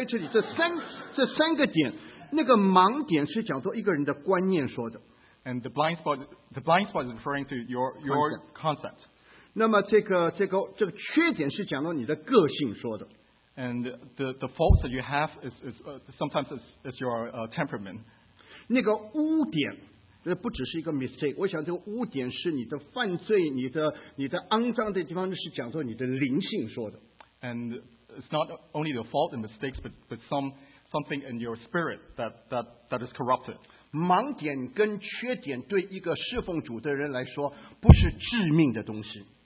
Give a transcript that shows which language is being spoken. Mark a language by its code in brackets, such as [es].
[zh] 所以好,在这里这三个点, 那个盲点是讲到一个人的观念说的。 [en] And the blind spot is referring to your concept. [zh] 那么这个缺点是讲到你的个性说的。 [en] And the faults that you have is sometimes your temperament. [zh] 那个污点, 这不只是一个 mistake， 我想这个污点是你的犯罪，你的肮脏的地方，是讲到你的灵性说的。 [en] And it's not only the fault and mistakes, but something in your spirit that is corrupted. [zh] 盲点跟缺点对一个侍奉主的人来说不是致命的东西。